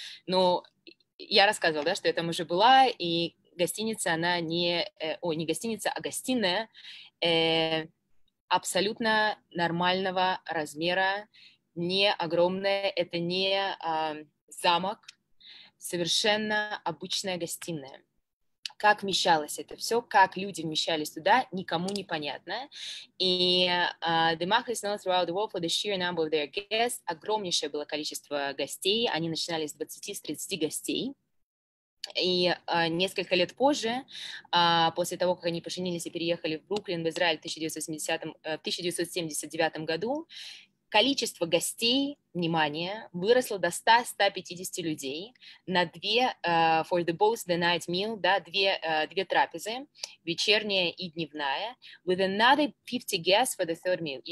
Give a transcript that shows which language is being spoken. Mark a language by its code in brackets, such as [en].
[ru] Но я рассказывала, да, что я там уже была, и гостиница, она гостиная абсолютно нормального размера, не огромная, это не замок, совершенно обычная гостиная. Как вмещалось это все, как люди вмещались туда, никому не понятно. [en] И the Machlis known throughout the world for the sheer number of their guests. [ru] Огромнейшее было количество гостей. Они начинали с 20-30 гостей. И несколько лет позже, после того, как они поженились и переехали в Бруклин, в Израиль в 1979 году, количество гостей, внимание, выросло до 100-150 людей на две, [en] for the both the night meal, [ru] да, две трапезы, вечерняя и дневная, [en] with another 50 guests for the third meal.